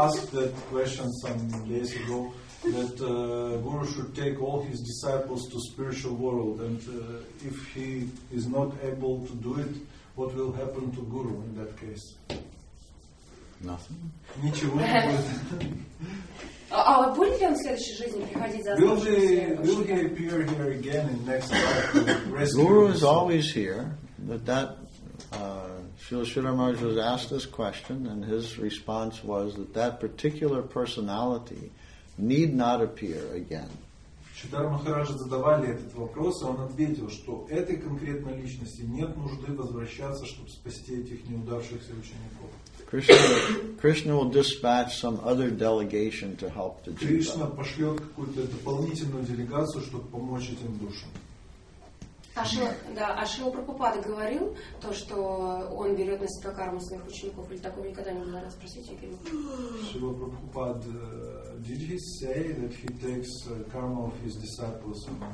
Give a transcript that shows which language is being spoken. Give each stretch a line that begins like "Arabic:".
Russian: Уволят его с духовного мира.
English: That Guru should take all his disciples to spiritual world, and if he is not able to do it, what will happen to Guru in that case? Nothing.
Russian: Ничего. А будет ли он в следующей жизни приходить за нами?
English: Will he appear here again in next life? Guru is always here. That Srila Sridhar Maharaj was asked this question, and his response was that particular personality need not appear again.
Russian: Шридхар Махарадж задавали этот вопрос, и он ответил, что этой конкретной личности нет нужды возвращаться, чтобы спасти этих неудавшихся учеников.
English: Krishna will dispatch some other delegation to help the jiva.
Russian: Кришна пошлет какую-то дополнительную делегацию, чтобы помочь этим душам. Шрила Прабхупада говорил то, что он берет на себя карму своих учеников, или такого никогда не надо спросить.
English: Шрила Прабхупада, did he say that he takes karma of his disciples?